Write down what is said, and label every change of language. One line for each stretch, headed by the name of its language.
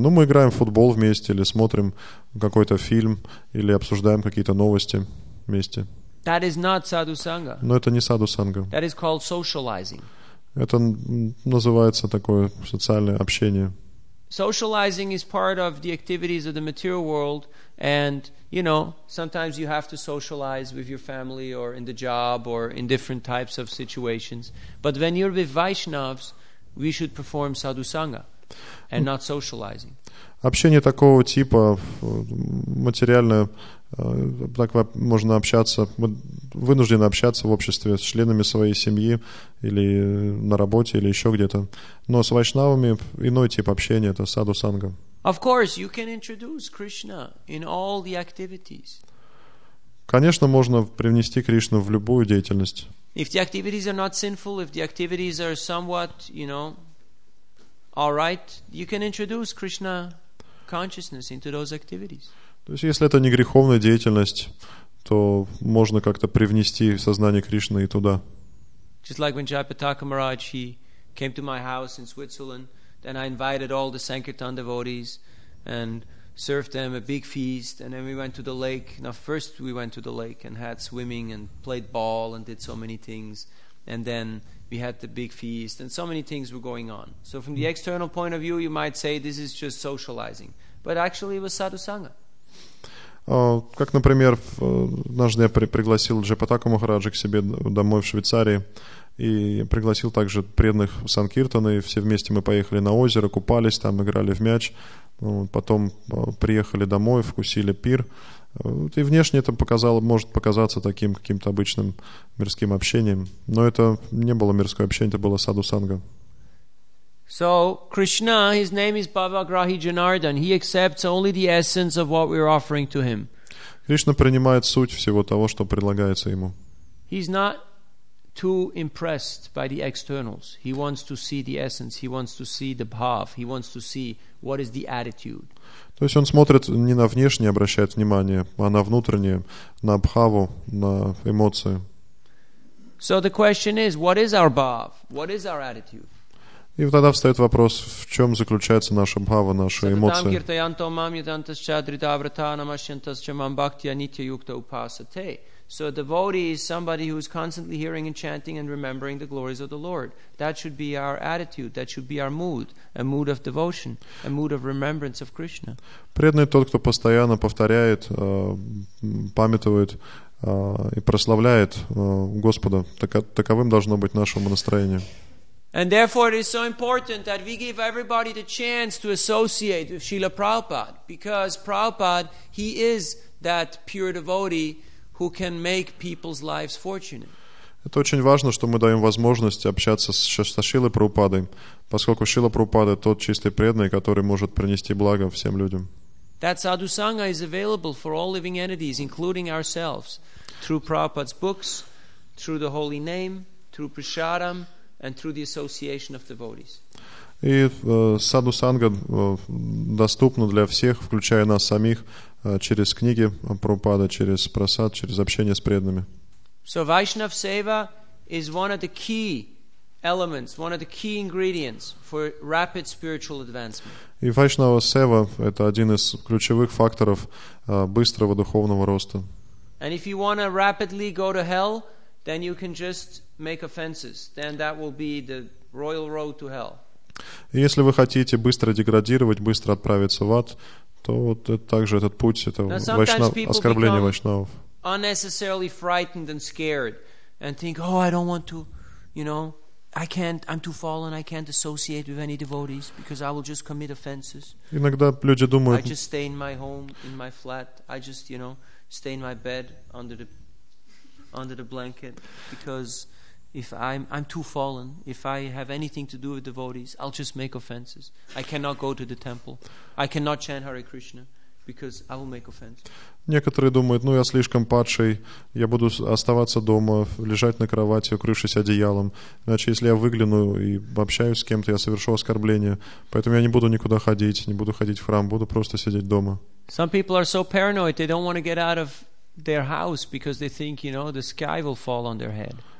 Russian: Ну, мы играем в футбол вместе, или смотрим какой-то фильм, или обсуждаем какие-то новости вместе.
English: That is not sadhu-sangha.
Russian: Но это не саду-санга.
English: That is called socializing.
Russian: Это называется такое социальное общение.
English: Socializing is part of the activities of the material world, and, you know, sometimes you have to socialize with your family or in the job or in different types of situations. But when you're with Vaishnavs, we should perform sadhu sangha and not socializing.
Russian: Общение такого типа материальное, так можно общаться, вынуждены общаться в обществе с членами своей семьи или на работе или еще где-то. Но с вайшнавами иной тип общения, это саду санга.
English: Of course, you can introduce Krishna in all the activities.
Russian: Конечно, можно привнести Кришну в любую деятельность.
English: If the activities are not sinful, if the activities are somewhat, you know, all right, you can introduce Krishna consciousness into those activities.
Russian: То есть, если это не греховная деятельность, то можно как-то привнести сознание Кришны и туда.
English: Just like when Japataka Maharaj, he came to my house in Switzerland, then I invited all the Sankirtan devotees and served them a big feast, and then we went to the lake. Now, first we went to the lake and had swimming and played ball and did so many things, and then we had the big feast, and so many things were going on. So from the external point of view, you might say this is just socializing. But actually, it was sadhu sangha.
Russian: Как, например, однажды я пригласил Джапатаку Махараджа к себе домой в Швейцарии и пригласил также преданных в Санкиртан, и все вместе мы поехали на озеро, купались там, играли в мяч, потом приехали домой, вкусили пир. И внешне это показало, может показаться таким каким-то обычным мирским общением, но это не было мирское общение, это было саду-санга.
English: So Krishna, his name is Bhavagrahi Janardan. He accepts only the essence of what we're offering to him.
Russian: Krishna принимает суть всего того, что предлагается ему.
English: He's not too impressed by the externals. He wants to see the essence. He wants to see the bhav. He wants to see what is the attitude.
Russian: То есть он смотрит не на внешнее, обращает внимание, а на внутреннее, на бхаву, на эмоции.
English: So the question is, what is our bhav? What is our attitude?
Russian: И тогда встает вопрос, в чем заключается наша бхава, наши эмоции.
English: So a devotee is somebody who is constantly hearing and chanting and remembering the glories of the Lord. That should be our attitude, that should be our mood, a mood of devotion, a mood of remembrance of Krishna.
Russian: Преданный тот, кто постоянно повторяет, памятует и прославляет Господа. Таковым должно быть наше настроение.
English: And therefore, it is so important that we give everybody the chance to associate with Srila Prabhupada, because Prabhupada, he is that pure devotee who can make people's lives fortunate.
Russian: Это очень важно, что мы даем возможность общаться со Шрилой Прабхупадой, поскольку Шрила Прабхупада тот чистый преданный, который может принести благо всем людям.
English: That sadhu sangha is available for all living entities, including ourselves, through Prabhupada's books, through the holy name, through prasadam, and through the association of devotees.
Russian: И саду санга доступна для всех, включая нас самих, через книги Прабхупада, через прасад, через общение с преданными.
English: So Vaishnav seva is one of the key elements, one of the key ingredients for rapid spiritual advancement.
Russian: И Вайшнава сева это один из ключевых факторов быстрого духовного роста.
English: And if you want to rapidly go to hell, then you can just make offenses. Then that will be the royal road to hell.
Russian: Если вы хотите быстро деградировать, быстро отправиться в ад, то вот это также этот путь, это оскорбление вайшнавов.
English: Unnecessarily frightened and scared and think, oh, I don't want to, you know, I can't, I'm too fallen, I can't associate with any devotees because I will just commit offenses.
Russian: Иногда люди думают,
English: I just stay in my home, in my flat, I just, you know, stay in my bed under the blanket because if I'm too fallen, if I have anything to do with devotees, I'll just make offenses. I cannot go to the temple. I cannot chant Hare Krishna. Because I will make offense.
Russian: Некоторые думают, ну я слишком падший, я буду оставаться дома, лежать на кровати, укрывшись одеялом. Иначе, если я выгляну и общаюсь с кем-то, я совершу оскорбление. Поэтому я не буду никуда ходить, не буду ходить в храм, буду просто сидеть дома.
English: Some people are so paranoid, they don't want to get out of their house because they think, you know, the sky will fall on their head.